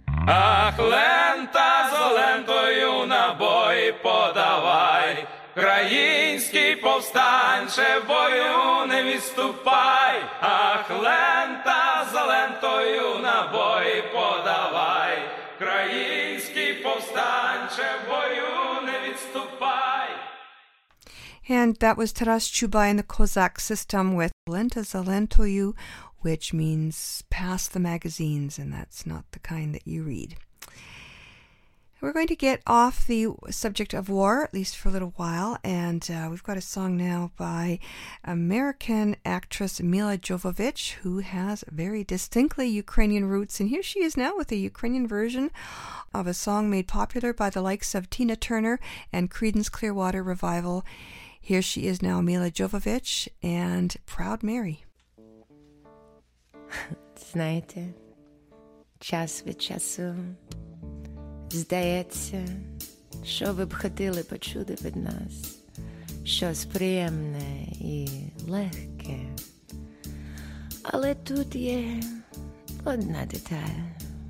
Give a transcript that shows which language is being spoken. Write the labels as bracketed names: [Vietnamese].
[Ukrainian] Ах, лента золентою на бої подавай, український повстанче в бою не відступай. Ах, лента золентою на бої подавай, український повстанче в бою не відступай. [English] And that was Taras Chuba in the Kozak System with Lenta Zalentoyu, which means pass the magazines, and that's not the kind that you read. We're going to get off the subject of war, at least for a little while, and we've got a song now by American actress Mila Jovovich, who has very distinctly Ukrainian roots, and here she is now with a Ukrainian version of a song made popular by the likes of Tina Turner and Creedence Clearwater Revival. Here she is now, Mila Jovovich, and Proud Mary. [Ukrainian] Знаєте, час від часу здається, що ви б хотіли почути від нас, щось приємне і легке. Але тут є одна деталь.